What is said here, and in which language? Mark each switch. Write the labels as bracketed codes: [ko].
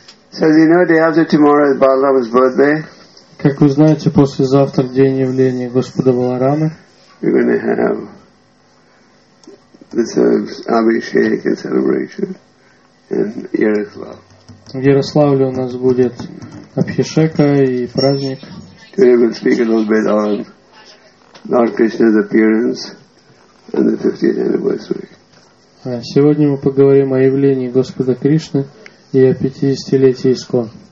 [en] So, you know, day after tomorrow is Balarama's birthday. [ru] Как вы знаете, послезавтра день явления Господа Баларамы. [en] We're going to have this Abhishek and celebration in Yaroslav. [ru] В Ярославле у нас будет Абхишека и праздник. [en] Today we'll speak a little bit on Lord Krishna's appearance and the 50th anniversary. [ru] Сегодня мы поговорим о явлении Господа Кришны и о 50-летии Искон.